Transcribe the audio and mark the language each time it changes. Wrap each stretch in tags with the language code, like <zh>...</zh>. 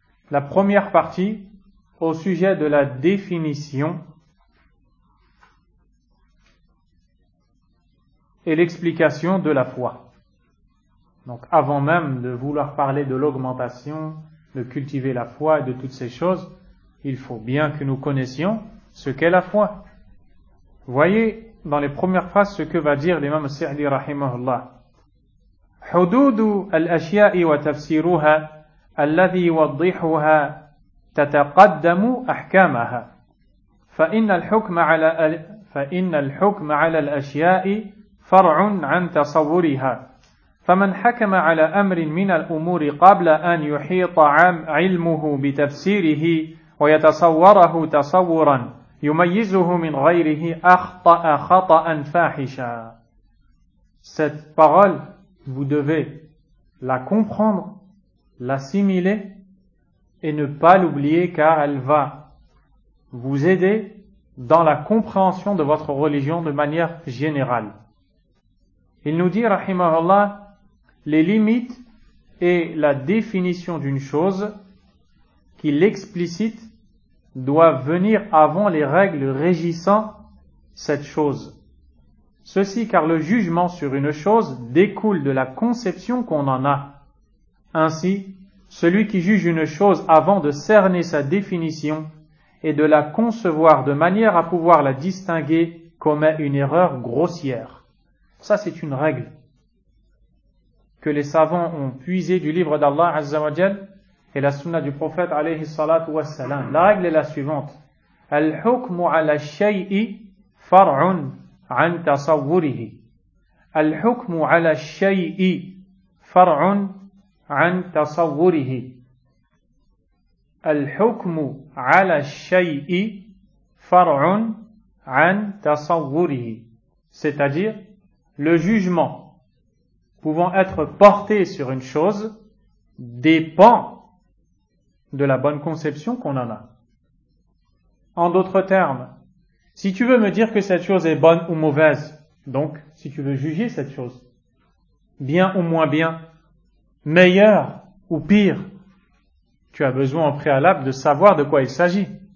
<fr>La première partie au sujet de la définition et l'explication de la foi. Donc avant même de vouloir parler de l'augmentation, de cultiver la foi et de toutes ces choses, il faut bien que nous connaissions ce qu'est la foi. Voyez dans les premières phrases ce que va dire l'imam Sa'di rahimahullah.</fr> <ar>حدود الأشياء وتفسيرها الذي يوضحها تتقدم أحكامها فإن الحكم على الأشياء فرع عن تصورها فمن حكم على أمر من الأمور قبل أن يحيط علمه بتفسيره ويتصوره تصورا يميزه من غيره أخطأ خطأ فاحشا.</ar> <fr>Cette parole, vous devez la comprendre, l'assimiler et ne pas l'oublier, car elle va vous aider dans la compréhension de votre religion de manière générale. Il nous dit, rahimahullah, les limites et la définition d'une chose qui l'explicite doivent venir avant les règles régissant cette chose. Ceci car le jugement sur une chose découle de la conception qu'on en a. Ainsi, celui qui juge une chose avant de cerner sa définition et de la concevoir de manière à pouvoir la distinguer commet une erreur grossière. Ça, c'est une règle que les savants ont puisée du livre d'Allah Azza wa Jal et la sunna du prophète alayhi salatu wa salam. La règle est la suivante.</fr> <ar>Al-hukmu ala shay'i far'un. عن تصوره الحكم على الشيء فرع عن تصوره الحكم على الشيء فرع عن تصوره.</ar> <fr>C'est-à-dire, le jugement pouvant être porté sur une chose dépend de la bonne conception qu'on en a. En d'autres termes, si tu veux me dire que cette chose est bonne ou mauvaise, donc si tu veux juger cette chose, bien ou moins bien, meilleure ou pire, tu as besoin en préalable de savoir de quoi il s'agit.</fr>